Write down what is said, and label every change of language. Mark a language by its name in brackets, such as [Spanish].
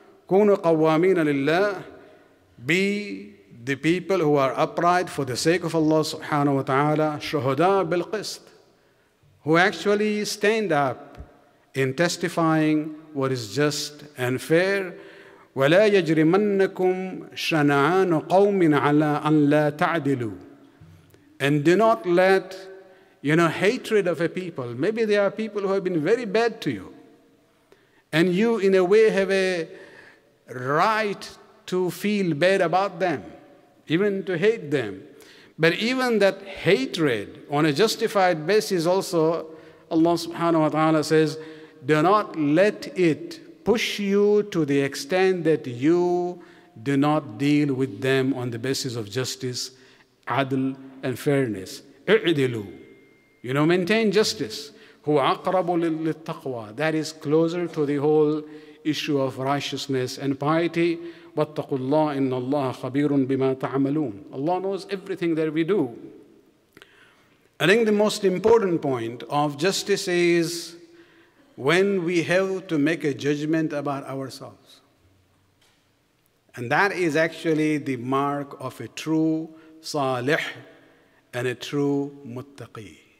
[Arabic] كونوا قوامين لله. [English] Be the people who are upright for the sake of Allah subhanahu wa ta'ala. [Arabic] شهداء بالقسط. [English] Who actually stand up in testifying what is just and fair. [Arabic] ولا يجرمنكم شنعان قوم على أن لا تعدلوا. [English] And do not let, you know, hatred of a people. Maybe there are people who have been very bad to you. And you, in a way, have a right to feel bad about them, even to hate them. But even that hatred, on a justified basis also, Allah subhanahu wa ta'ala says, do not let it push you to the extent that you do not deal with them on the basis of justice, adl, and fairness. [Arabic] اعدلوا. [English] You know, maintain justice. [Arabic] هو أقرب للتقوى. [English] That is closer to the whole issue of righteousness and piety. [Arabic] واتقوا الله إن الله خبير بما تعملون. [English] Allah knows everything that we do. I think the most important point of justice is when we have to make a judgment about ourselves. And that is actually the mark of a true صالح and a true متقي.